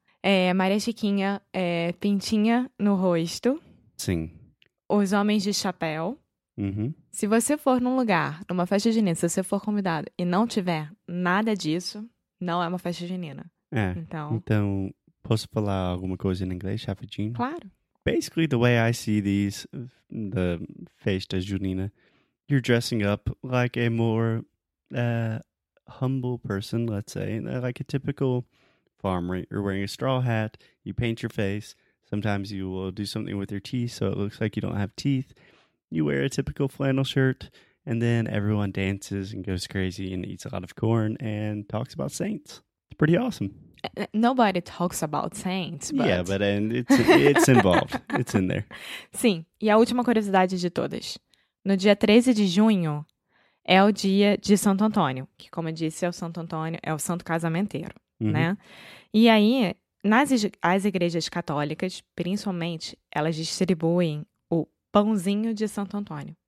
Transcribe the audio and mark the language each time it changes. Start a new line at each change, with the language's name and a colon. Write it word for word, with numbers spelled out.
Portuguese: é Maria Chiquinha é pintinha no rosto. Sim. Os homens de chapéu. Uhum. Se você for num lugar, numa festa junina, se você for convidado e não tiver nada disso, não é uma festa junina. É. Então, então posso falar alguma coisa em inglês rapidinho? Claro.
English: Basically, the way I see these, the festas junina, you're dressing up like a more uh, humble person, let's say, like a typical farmer. You're wearing a straw hat, you paint your face, sometimes you will do something with your teeth so it looks like you don't have teeth. You wear a typical flannel shirt, and then everyone dances and goes crazy and eats a lot of corn and talks about saints. It's pretty awesome. Nobody talks about saints, but... Yeah, but and it's, it's involved. It's in there.
Portuguese: Sim, e a última curiosidade de todas. No dia treze de junho é o dia de Santo Antônio, que, como eu disse, é o Santo Antônio, é o santo casamenteiro, uhum. né? E aí, nas as igrejas católicas, principalmente, elas distribuem o pãozinho de Santo Antônio.